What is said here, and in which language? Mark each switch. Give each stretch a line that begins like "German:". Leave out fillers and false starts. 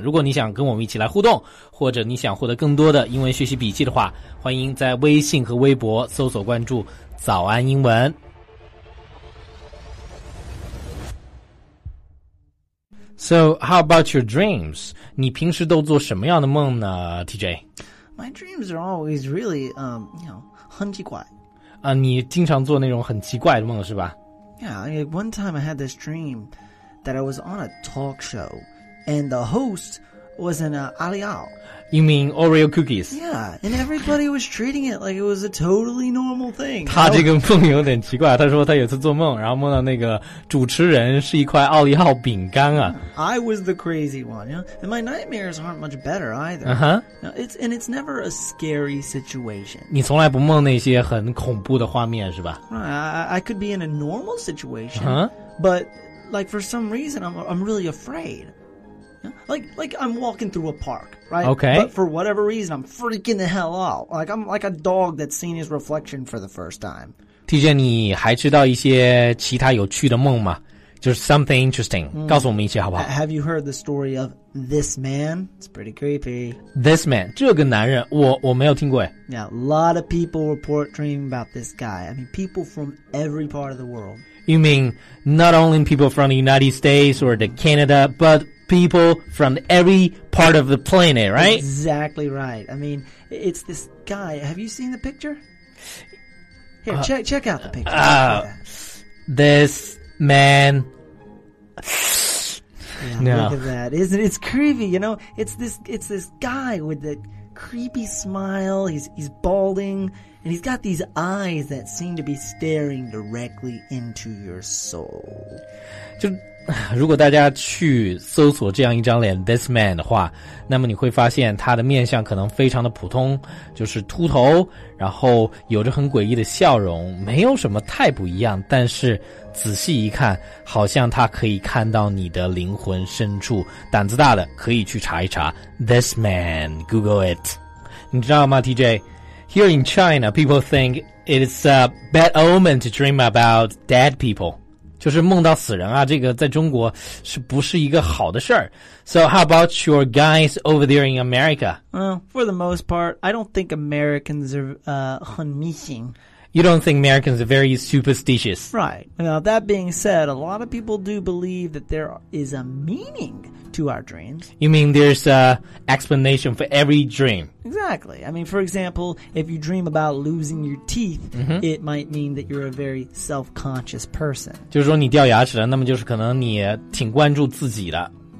Chinese: 如果你想跟我们一起来互动，或者你想获得更多的英文学习笔记的话，欢迎在微信和微博搜索关注“早安英文”。
English: So, how about your dreams?
Chinese: 你平时都做什么样的梦呢 ，TJ?
English: My dreams are always really, you know,
Chinese: 很奇怪。啊，你经常做那种很奇怪的梦是吧？
English: Yeah, one time I had this dream that I was on a talk show, and the host was an Aliao. You mean Oreo cookies? Yeah, and everybody was treating it like it was a totally normal thing.
Chinese: 他这个梦有点奇怪，他说他有次做梦，然后梦到那个主持人是一块奥利奥饼干啊。
English: I was the crazy one, you know? And my nightmares aren't much better either. It's never a scary situation.
Chinese: 你从来不梦那些很恐怖的画面是吧？
English: I could be in a normal situation, but like for some reason I'm really afraid. Like I'm walking through a park, right? Okay. But for whatever reason, I'm freaking the hell out. Like I'm like a dog that's seen his reflection for the first time.
Chinese: TJ, 你还知道一些其他有趣的梦吗？就是
English: something interesting，
Chinese: 告诉我们一些好不好？
English: Have you heard the story of this man? It's pretty creepy. This man,
Chinese: 这个男人，我没有听过。
English: Yeah, a lot of people report dreaming about this guy. I mean, people from every part of the world. You mean not only people from the United States or the Canada, but... People from every part of the planet, right? Exactly right. I mean, it's this guy. Have you seen the picture? Here, check out the picture. This man. Yeah, no. Look at that. Isn't it? It's creepy, you know? It's this guy with the creepy smile. He's balding. And he's got these eyes that seem to be staring directly into your soul. Just...
Chinese: 如果大家去搜索这样一张脸 This man 的话，那么你会发现他的面相可能非常的普通，就是秃头，然后有着很诡异的笑容，没有什么太不一样，但是仔细一看，好像他可以看到你的灵魂深处。胆子大的可以去查一查 This man，
English: Google it。
Chinese: 你知道吗 TJ，
English: Here in China people think it's a bad omen to dream about dead people，
Chinese: 就是梦到死人啊，这个在中国是不是一个好的事儿。
English: So how about your guys over there in America? For the most part, I don't think Americans are
Chinese: 很迷信。
English: you don't think Americans are very superstitious. Right. Now, that being said, a lot of people do believe that there is a meaning to our dreams. You mean there's an explanation for every dream? Exactly. I mean, for example, if you dream about losing your teeth, mm-hmm. it might mean that you're a very self-conscious person.
Chinese: 就是说你掉牙齿了，那么就是可能你挺关注自己的。